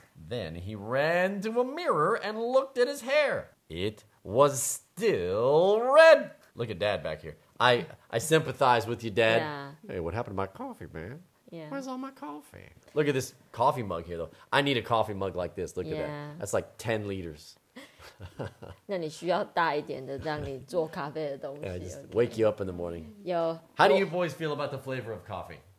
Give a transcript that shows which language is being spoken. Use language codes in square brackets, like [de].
[en] Then he ran to a mirror and looked at his hair. It was still red. Look at Dad back here. I sympathize with you, Dad. Yeah. Hey, what happened to my coffee, man? Yeah. Where's all my coffee? Look at this coffee mug here, though. I need a coffee mug like this. Look at that. That's like 10 liters. [zh] 那你需要大一点的让你做咖啡的东西。 [en] Yeah, just wake you up in the morning. Yo. How do you boys feel about the flavor of coffee?